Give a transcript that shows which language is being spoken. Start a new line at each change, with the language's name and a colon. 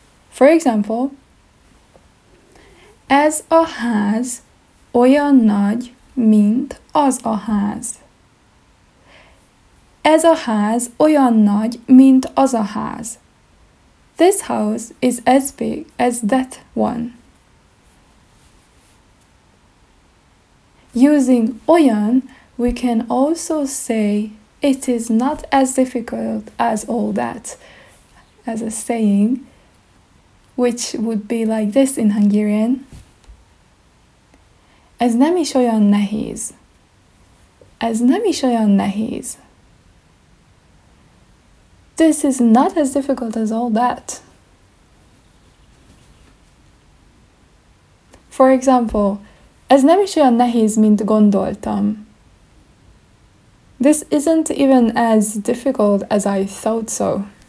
English: For example,
Hungarian: ez a ház olyan nagy mint az a ház. Ez a ház olyan nagy mint az a ház.
English: This house is as big as that one. Using olyan, we can also say it is not as difficult as all that, as a saying, which would be like this in Hungarian.
Hungarian: Ez nem is olyan nehéz. Ez nem is olyan nehéz.
English: This is not as difficult as all that. For example,
Hungarian: ez nem is olyan nehéz, mint gondoltam.
English: This isn't even as difficult as I thought so.